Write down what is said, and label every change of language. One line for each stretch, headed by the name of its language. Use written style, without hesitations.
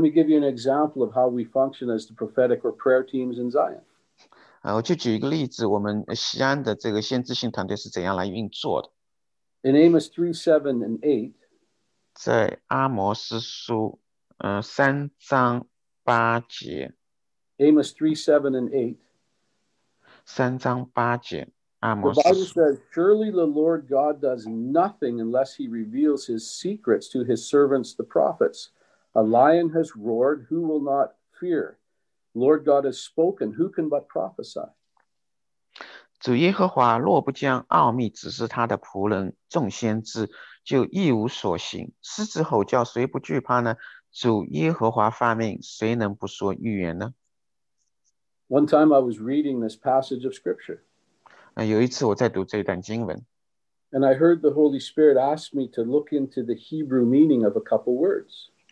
English: me give you an example of how we function as the prophetic or prayer teams in Zion.
Chinese: 我就举一个例子，我们西安的这个先知性团队是怎样来运作的。In
English: Amos 3, 7, and 8,
Chinese: 在阿摩斯书，3章8节。
English: Amos 3, 7, and 8,
Chinese: 3章8节。
English: The Bible says, surely the Lord God does nothing unless he reveals his secrets to his servants, the prophets. A lion has roared, who will not fear. Lord God has spoken. Who can but prophesy?
Chinese: 主耶和华若不将奥秘指示他的仆人众先知，就一无所行。狮子吼叫，谁不惧怕呢？主耶和华发命，谁能不说预言呢？
English: One time I was reading this passage of scripture.
Chinese: 有一次我在读这一段经文。
English: And I heard the Holy Spirit ask me to look into the Hebrew meaning of a couple words.